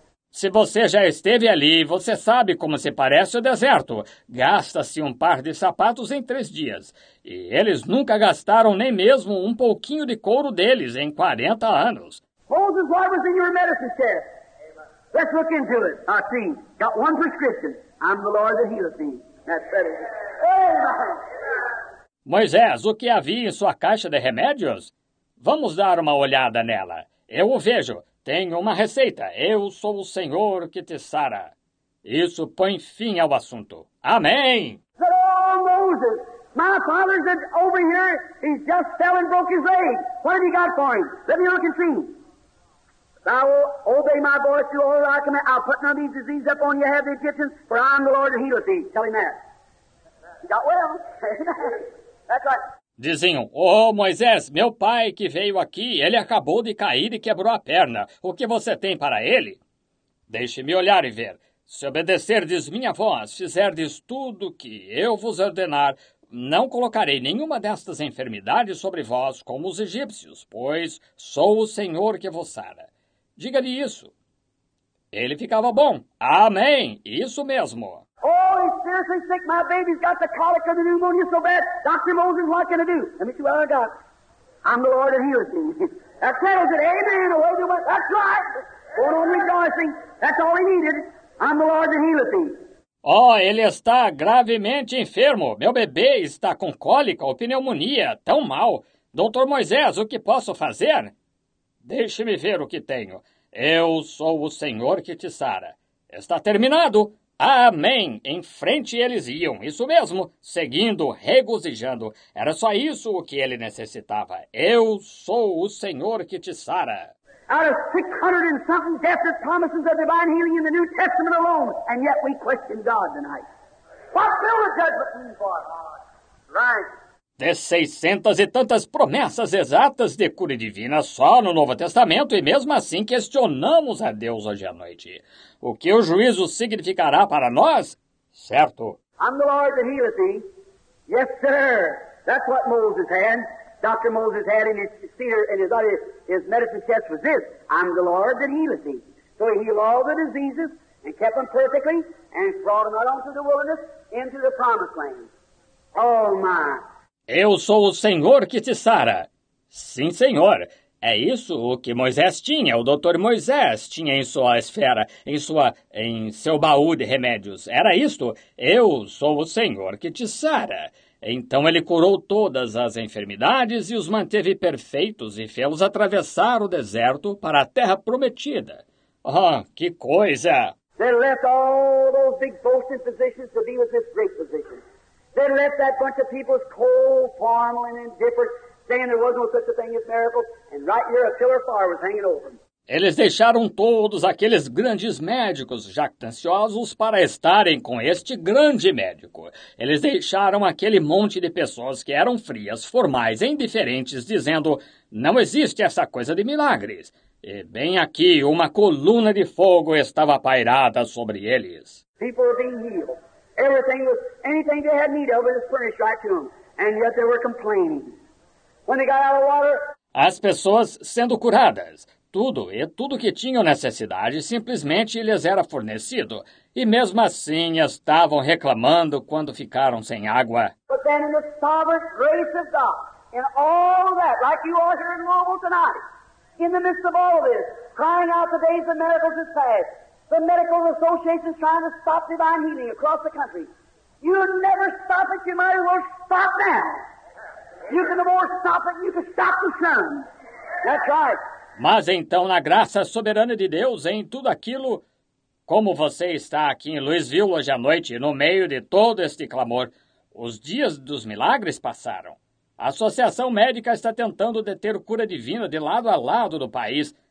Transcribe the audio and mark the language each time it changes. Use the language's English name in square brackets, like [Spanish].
[Portuguese] Se você já esteve ali, você sabe como se parece o deserto. Gasta-se um par de sapatos em 3 dias. E eles nunca gastaram nem mesmo um pouquinho de couro deles em 40 anos. [English] Moses, why was in your medicine chest? Let's look into it. I see. Got one prescription. I'm the Lord that healeth thee. That's better. Amen. [Portuguese] Moisés, o que havia em sua caixa de remédios? Vamos dar uma olhada nela. Eu o vejo. Tenho uma receita. Eu sou o Senhor que te sara. Isso põe fim ao assunto. Amém! [English] Oh, Moses! My father's over here. He's just fell and broke his leg. What have you got for him? Let me look and see. Thou will obey my voice through all that I command. I'll put none of these diseases up on your head, the Egyptians, for I am the Lord that healeth thee. Tell him that. He got well. That's right. [Portuguese] Dizinho, oh, Moisés, meu pai que veio aqui, ele acabou de cair e quebrou a perna. O que você tem para ele? Deixe-me olhar e ver. Se obedecerdes minha voz, fizerdes tudo o que eu vos ordenar, não colocarei nenhuma destas enfermidades sobre vós como os egípcios, pois sou o Senhor que vos sara. Diga-lhe isso. Ele ficava bom. Amém. Isso mesmo. [English] Oh, he's seriously sick. My baby's got the colic of the pneumonia so bad. Dr. Moses, what can I do? Let me see what I got. I'm the Lord that heals thee. That settles it. Amen. Away you went. That's right. Going on rejoicing. That's all he needed. I'm the Lord that heals thee. [Portuguese] Oh, ele está gravemente enfermo. Meu bebê está com cólica ou pneumonia. Tão mal. Dr. Moisés, o que posso fazer? Deixe-me ver o que tenho. Eu sou o Senhor que te sara. Está terminado. Amém! Em frente eles iam, isso mesmo, seguindo, regozijando. Era só isso o que ele necessitava. Eu sou o Senhor que te sara. [English] Out of 600 and something definite promises of divine healing in the New Testament alone, and yet we question God tonight. What will the judgment mean for us? Right. [Portuguese] De 600 e tantas promessas exatas de cura divina só no Novo Testamento, e mesmo assim questionamos a Deus hoje à noite. O que o juízo significará para nós? Certo. [English] I'm the Lord that healeth thee. Yes, sir. That's what Moses had. Dr. Moses had in his cedar and his medicine chest was this. I'm the Lord that healeth thee. So he healed all the diseases and kept them perfectly and brought them out onto the wilderness into the promised land. Oh, my. [Portuguese] Eu sou o Senhor que te sara. Sim, Senhor. É isso o que Moisés tinha, o Dr. Moisés tinha em sua esfera, em seu baú de remédios. Era isto. Eu sou o Senhor que te sara. Então ele curou todas as enfermidades e os manteve perfeitos e fê-los atravessar o deserto para a terra prometida. Oh, que coisa! [English] They left all those big boasting physicians to be with this great physician. They left that bunch of people cold, formal, and indifferent, saying there was no such a thing as miracles, and right here a pillar of fire was hanging over them. [Portuguese] Eles deixaram todos aqueles grandes médicos jactanciosos para estarem com este grande médico. Eles deixaram aquele monte de pessoas que eram frias, formais e indiferentes, dizendo, não existe essa coisa de milagres. E bem aqui, uma coluna de fogo estava pairada sobre eles. [English] People were being healed. Everything was, anything they had need of was furnished right to them. And yet they were complaining. When they got out of water... [Portuguese] As pessoas sendo curadas. Tudo e tudo que tinham necessidade simplesmente lhes era fornecido. E mesmo assim estavam reclamando quando ficaram sem água. [English] But then in the sovereign grace of God, in all of that, like you are here in Louisville tonight, in the midst of all of this, crying out the days of miracles is past. The medical association is trying to stop divine healing across the country. You never stop it, you might as well stop now. You can no more stop it, you can stop the sun. That's right. [Portuguese] Mas então, na graça soberana de Deus, em tudo aquilo, como você está aqui em Louisville hoje à noite, no meio de todo este clamor, os dias dos milagres passaram. A Associação Médica está tentando deter cura divina de lado a lado do país.